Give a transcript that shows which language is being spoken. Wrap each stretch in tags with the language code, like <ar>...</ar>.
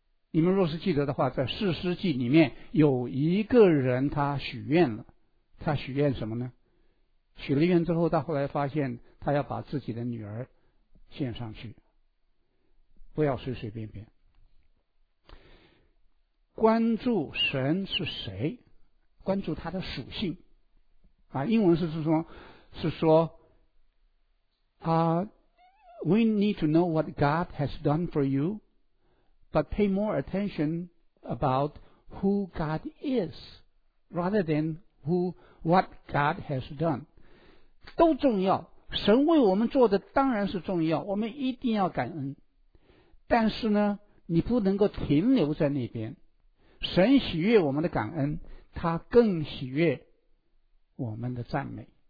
<zh>你们若是记得的话，在士师记里面有一个人他许愿了，他许愿什么呢？许了愿之后，他后来发现他要把自己的女儿献上去，不要随随便便。关注神是谁，关注他的属性啊。英文是说</zh> <en>We need to know what God has done for you, but pay more attention about who God is rather than what God has done.</en> <zh>都重要，神为我们做的当然是重要，我们一定要感恩，但是呢你不能够停留在那边。神喜悦我们的感恩，他更喜悦我们的赞美。</zh>